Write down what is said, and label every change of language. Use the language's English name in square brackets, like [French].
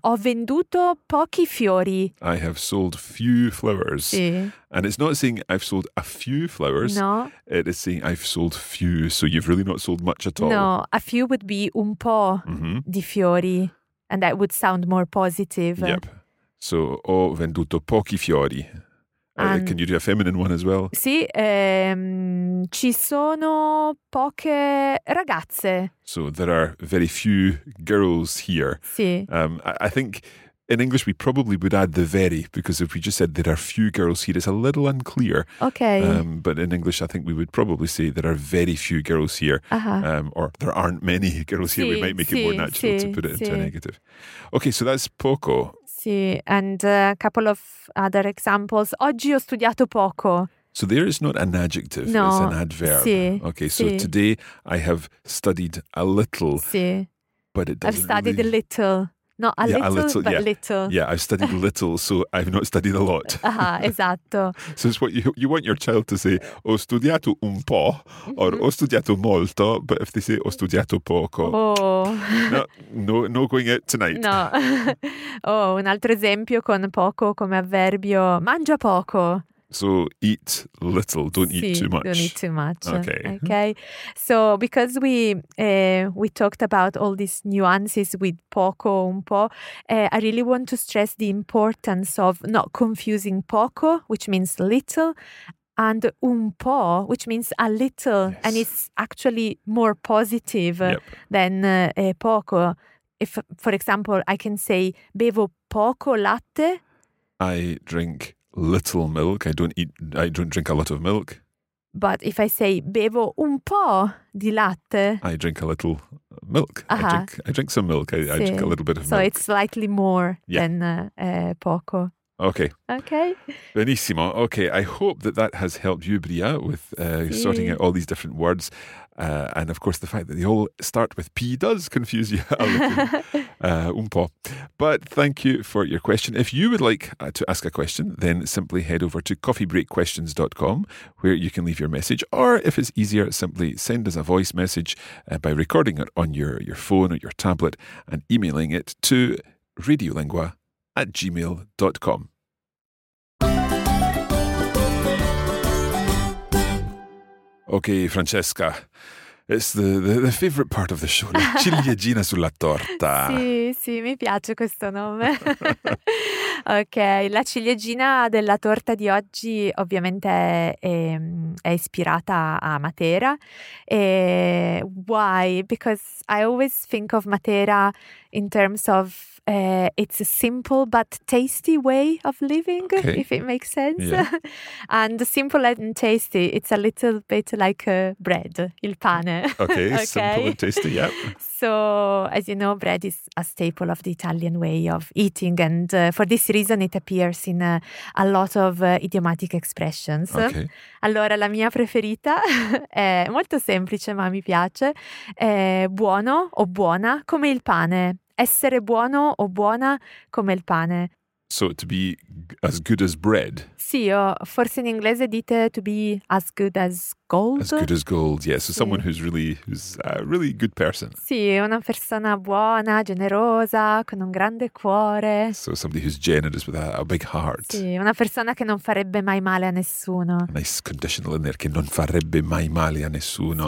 [Italian] Ho venduto pochi fiori. [English] I have sold few flowers. [Italian] Sì. [English] And it's not saying I've sold a few flowers. No. It is saying I've sold few. So you've really not sold much at all. No, a few would be [Italian] un po' di fiori. [English] And that would sound more positive. Yep. [Italian] So ho venduto pochi fiori. [English] Can you do a feminine one as well? [Italian] Sì, ci sono poche ragazze. [English] So there are very few girls here. [Italian] Sì. [English] I think in English we probably would add the very, because if we just said there are few girls here, it's a little unclear. Okay. But in English I think we would probably say there are very few girls here. Uh-huh. Or there aren't many girls here. [Italian] Sì, [English] we might make it more natural to put it into a negative. Okay, so that's poco. Sì, and a couple of other examples. [Italian] Oggi ho studiato poco. [English] So there is not an adjective, no. It's an adverb. [Italian] Sì. [English] Okay, so today I have studied a little, [Italian] sì. [English] But it doesn't I've studied really a little, not a little, a little, but yeah. Little. Yeah, I've studied little, so I've not studied a lot. [Italian] Ah, uh-huh, esatto. [English] So it's what you want your child to say, [Italian] ho studiato un po', [English] or [Italian] ho studiato molto, [English] but if they say [Italian] ho studiato poco. [English] Oh. No going out tonight. No. [Italian] Oh, un altro esempio con poco come avverbio, mangia poco. [English] So eat little, don't eat too much. Don't eat too much. Okay. So because we talked about all these nuances with poco, un po', I really want to stress the importance of not confusing poco, which means little, and un po', which means a little. Yes. And it's actually more positive than poco. If, for example, I can say [Italian] bevo poco latte. [English] I drink little milk. I don't drink a lot of milk. But if I say [Italian] bevo un po' di latte, [English] I drink a little milk. Uh-huh. I drink some milk. I drink a little bit of milk. So it's slightly more than poco. [Italian] Okay. Benissimo. [English] Okay, I hope that has helped you, Bria, with sorting out all these different words. And of course, the fact that they all start with P does confuse you a little. [Italian] un po'. [English] But thank you for your question. If you would like to ask a question, then simply head over to coffeebreakquestions.com, where you can leave your message. Or if it's easier, simply send us a voice message by recording it on your phone or your tablet and emailing it to radiolingua@gmail.com. Okay, Francesca, it's the favorite part of the show, [Italian] la ciliegina sulla torta. Sì, mi piace questo nome. Ok, la ciliegina della torta di oggi ovviamente è ispirata a Matera. [English] E why? Because I always think of Matera in terms of it's a simple but tasty way of living, okay, if it makes sense. Yeah. And simple and tasty, it's a little bit like bread, [Italian] il pane. [English] Okay, simple and tasty, yeah. So, as you know, bread is a staple of the Italian way of eating. And for this reason, it appears in a lot of idiomatic expressions. Okay. [Italian] Allora, la mia preferita è molto semplice, ma mi piace. È buono o buona come il pane. Essere buono o buona come il pane. [English] So to be as good as bread. [Italian] Sì, o forse in inglese dite [English] to be as good as gold. As good as gold, yes. So someone who's a really good person. [Italian] Sì, una persona buona, generosa, con un grande cuore. [English] So somebody who's generous with a big heart. [Italian] Sì, una persona che non farebbe mai male a nessuno. [English] A nice conditional in there, [Italian] che non farebbe mai male a nessuno.